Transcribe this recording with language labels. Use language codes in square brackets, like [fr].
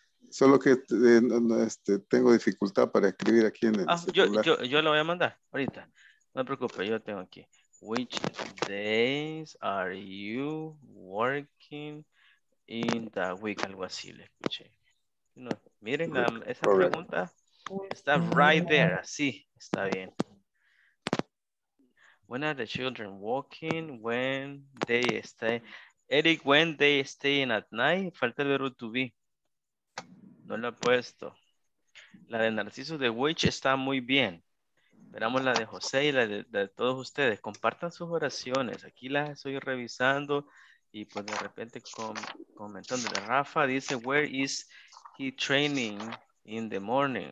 [es] Solo que tengo dificultad para escribir aquí en el celular. Yo lo voy a mandar ahorita. No me preocupe, yo tengo aquí. [en] Which days are you working in the week? [es] Algo así le escuché. No, miren, esa pregunta está [en] right there. [es] Sí, está bien. [en] When are the children walking? When they stay? [es] Eric, [en] when they staying at night? [es] Falta el verbo to be. No lo he puesto. La de Narciso de Witch está muy bien. Esperamos la de José y la de todos ustedes. Compartan sus oraciones. Aquí las estoy revisando y pues de repente comentando. Rafa dice, [en] where is he training in the morning?